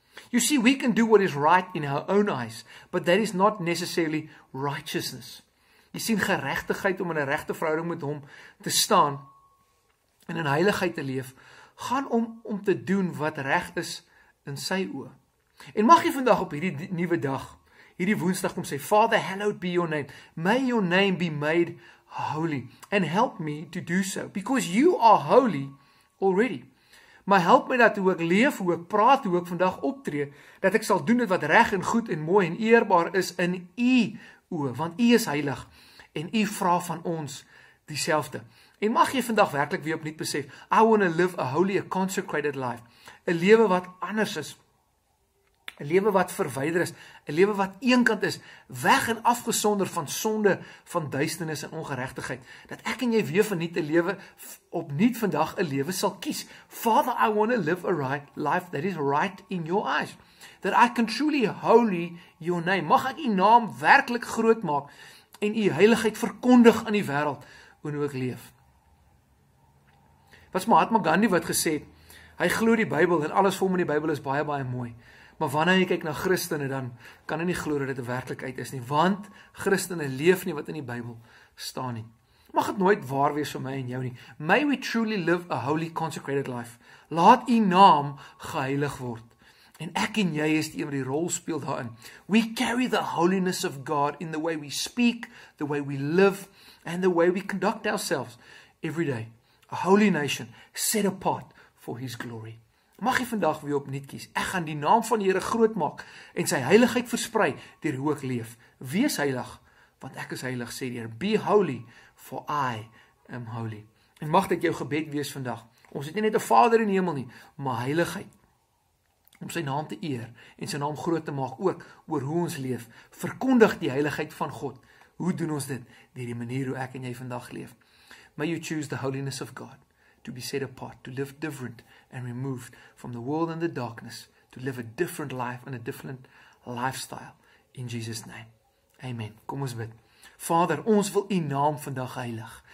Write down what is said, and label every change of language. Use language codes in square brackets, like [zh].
[en] You see, we can do what is right in our own eyes, but that is not necessarily righteousness. [af] Jy sien, geregtigheid om in 'n regte verhouding met hom te staan en in heiligheid te leef, gaan om te doen wat reg is in sy oë. En mag jy vandag op hierdie nuwe dag, hierdie Woensdag kom sê, [en] Father, hallowed be your name. May your name be made holy. And help me to do so. Because you are holy already. [af] Maar help my dat hoe ek leef, hoe ek praat, hoe ek vandag optree, dat ek sal doen dit wat reg en goed en mooi en eerbaar is in u oë. Want u is heilig. En u vra van ons dieselfde. En mag jy vandag werklik weer opnuut besef, [en] I want to live a holy, a consecrated life. [af] 'N lewe wat anders is. 'N lewe wat verwyder is, 'n lewe wat eenkant is, weg en afgesonder van sonde, van duisternis en ongeregtigheid, dat ek en jy weer vernuut 'n lewe, opnuut vandag 'n lewe sal kies. [en] Father, I want to live a right life that is right in your eyes, that I can truly holy your name. [af] Mag ek u naam werklik groot maak en u heiligheid verkondig aan die wêreld, en hoe ek leef. Wat is Mahatma Gandhi wat gesê het, hy glo die Bybel en alles vir hom in die Bybel is baie, baie mooi. Maar wanneer jy kyk na Christene, dan kan jy nie glo dat dit 'n werklikheid is nie, want Christene leef nie wat in die Bybel staan nie. Mag dit nooit waar wees vir my en jou nie. [en] May we truly live a holy consecrated life. [af] Laat u naam geheilig word. En ek en jy is die een wat die rol speel daarin. [en] We carry the holiness of God in the way we speak, the way we live, and the way we conduct ourselves every day. A holy nation set apart for his glory. [af] Mag jy vandag weer opnuut kies. Ek gaan die naam van die Here groot maak en sy heiligheid versprei deur hoe ek leef. Wees heilig, want ek is heilig, sê die Here. [en] Be holy, for I am holy. [af] En mag dit jou gebed wees vandag. Ons het nie net 'n Vader in die hemel nie, maar heiligheid. Om sy naam te eer en sy naam groot te maak ook oor hoe ons leef. Verkondig die heiligheid van God. Hoe doen ons dit? Deur die manier hoe ek en jy vandag leef. [en] May you choose the holiness of God to be set apart, to live different and removed from the world and the darkness, to live a different life and a different lifestyle in Jesus' name. [af] Amen. Kom ons bid. Vader, ons wil U naam vandag heilig.